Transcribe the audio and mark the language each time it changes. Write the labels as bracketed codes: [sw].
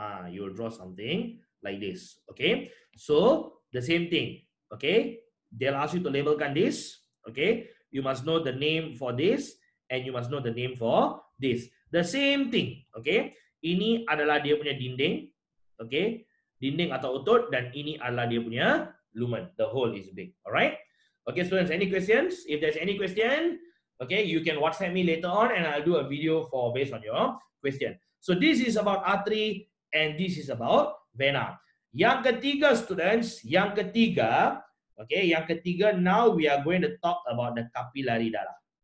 [en] You will draw something like this. Okay? So, the same thing. Okay? They'll ask you to labelkan this. Okay? You must know the name for this. And you must know the name for this. The same thing. Okay? [ms] ini adalah dia punya dinding, okay, dinding atau otot, dan ini adalah dia punya lumen. [en] The hole is big, alright? Okay, students, any questions? If there's any question, okay, you can WhatsApp me later on and I'll do a video for based on your question. So this is about artery and this is about vena. [ms] Yang ketiga, students, yang ketiga, [en] okay, yang ketiga, now we are going to talk about the kapilari darah.